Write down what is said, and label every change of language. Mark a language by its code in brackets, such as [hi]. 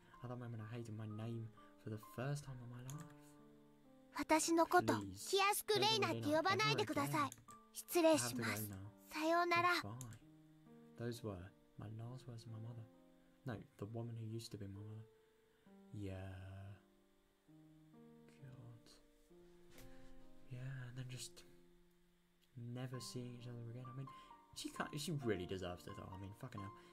[en] At that moment, I hated my name for the first time in my life. [ja] 私のこと、気安くレイナって呼ばないでください。失礼します。さようなら。 [en] Those were my last words to my mother. No, the woman who used to be my mother. Yeah. God. Yeah, and then just... Never seeing each other again. I mean, she can't, she really deserves it though. I mean, fucking hell.